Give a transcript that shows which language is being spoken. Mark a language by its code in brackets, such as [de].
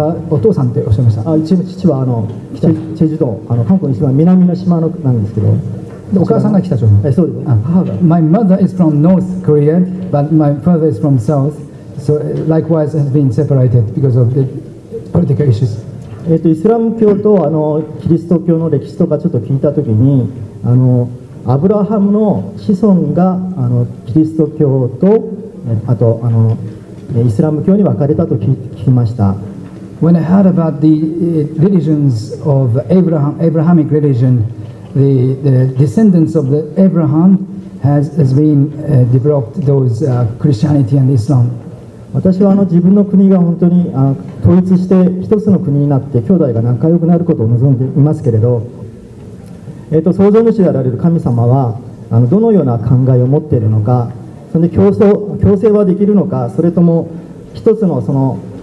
[ja] お父さんっておっしゃいました。父は チェジュ島、韓国の一番南の島のなんですけど、お母さんが北朝鮮。そうです。 [en] My mother is from North Korea, but my father is from South, so likewise has been separated because of the political issues. [ja] イスラム教とキリスト教の歴史とかちょっと聞いたときに、アブラハムの子孫がキリスト教とあとイスラム教に分かれたと聞きました。 [en] When I heard about the religions of Abrahamic religion,The descendants of the Abraham has been developed those Christianity and Islam. [ja] 私は自分の国が本当に統一して一つの国になって兄弟が仲良くなることを望んでいますけれど、創造主であられる神様はどのような考えを持っているのか、それで共生はできるのか、それとも一つのその